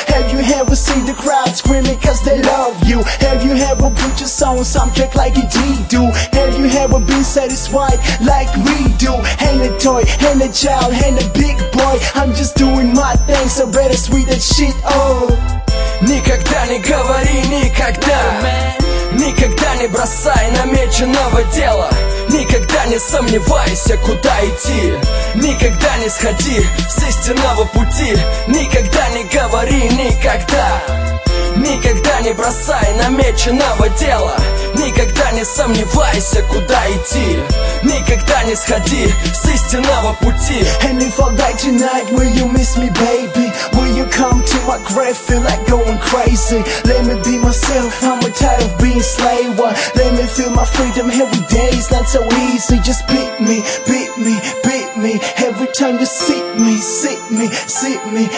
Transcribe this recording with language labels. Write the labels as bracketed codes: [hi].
[en] Have you ever seen the crowd screaming cause they love you? Have you ever put your song on some track like a D do? Have you ever been satisfied like we do? Ain't a toy, ain't a child, ain't a big boy. I'm just doing my thing, so better sweet that shit, oh. [ru] Никогда не говори никогда. Никогда не бросай намеченного дела. Никогда не сомневайся, куда идти. Никогда не сходи с истинного пути. Никогда не говори никогда. Никогда не бросай намеченного дела. Никогда не сомневайся, куда идти. Никогда не сходи с истинного пути. [en] And if I die tonight, will you miss me, baby? Will you come to my grave, feel like going crazy? Let me be myself, I'm tired of being slave. Let me feel my freedom, every day is not so easy. Just beat me, beat me, beat me. Every time you sit me, sit me, sit me.